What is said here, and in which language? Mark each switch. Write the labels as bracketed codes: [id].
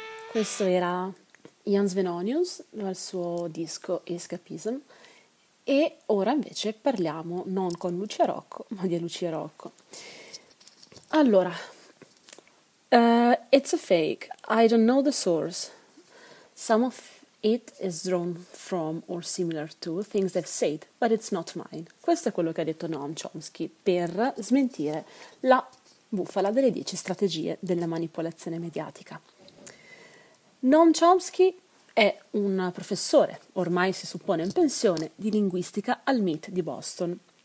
[it] Questo era Jan Svenonius dal suo disco Escapism, e ora invece parliamo non con Lucia Rocco, ma di Lucia Rocco. [en] Allora, it's a fake, I don't know the source. Some of it is drawn from or similar to things they've said, but it's not mine. [it] Questo è quello che ha detto Noam Chomsky per smentire la bufala delle 10 strategie della manipolazione mediatica. Noam Chomsky è un professore, ormai si suppone in pensione, di linguistica al MIT di Boston.